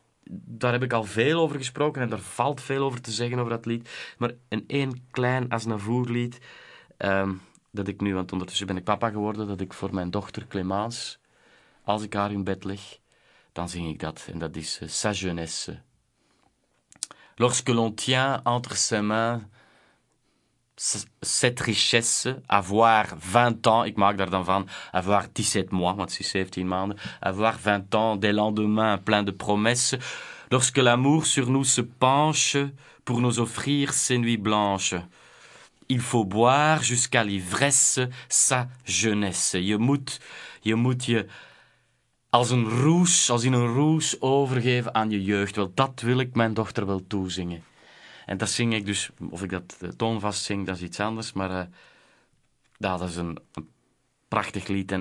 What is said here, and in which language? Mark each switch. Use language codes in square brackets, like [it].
[nl] Daar heb ik al veel over gesproken. En daar valt veel over te zeggen over dat lied. Maar een één klein Aznavour lied. Dat ik nu, want ondertussen ben ik papa geworden. Dat ik voor mijn dochter Clémence, als ik haar in bed leg, dan zing ik dat. En dat is Sa Jeunesse. [fr] Lorsque l'on tient entre ses mains cette richesse, avoir 20 ans, [nl] ik maak daar dan van, [fr] avoir 17 mois, want c'est 17 maanden, avoir 20 ans, des lendemains plein de promesses, lorsque l'amour sur nous se penche pour nous offrir ses nuits blanches. Il faut boire jusqu'à l'ivresse sa jeunesse. [nl] Je moet je als een roes, als in een roes overgeven aan je jeugd. Wel, dat wil ik mijn dochter wel toezingen. En dat zing ik dus, of ik dat toonvast zing, dat is iets anders, maar dat is een prachtig lied.